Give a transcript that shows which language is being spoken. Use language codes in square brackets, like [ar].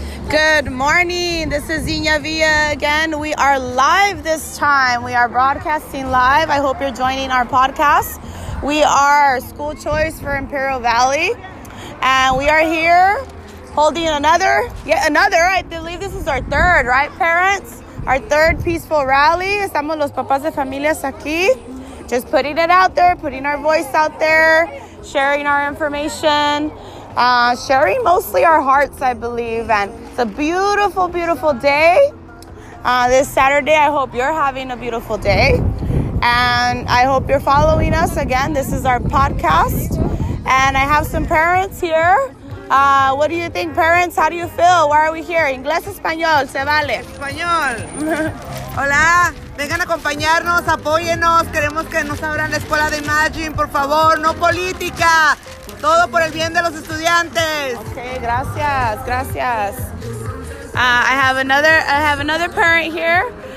[en] Good morning. This is Zinia Villa again. We are live this time. We are broadcasting live. I hope you're joining our podcast. We are School Choice for Imperial Valley, and we are here holding another. I believe this is our third, right, parents? Our third peaceful rally. [es] Estamos los papás de familias aquí. [en] Just putting it out there, putting our voice out there, sharing our information, sharing mostly our hearts, I believe. And it's a beautiful, beautiful day. This Saturday, I hope you're having a beautiful day. And I hope you're following us again. This is our podcast. And I have some parents here. What do you think, parents? How do you feel? Why are we here? Inglés, español, se vale. [es] Español. Hola. Vengan a acompañarnos, apóyenos. Queremos que nos abran la escuela de Imagine, por favor. No política. Todo por el bien de los estudiantes. Okay, gracias, gracias. [en] I have another parent here.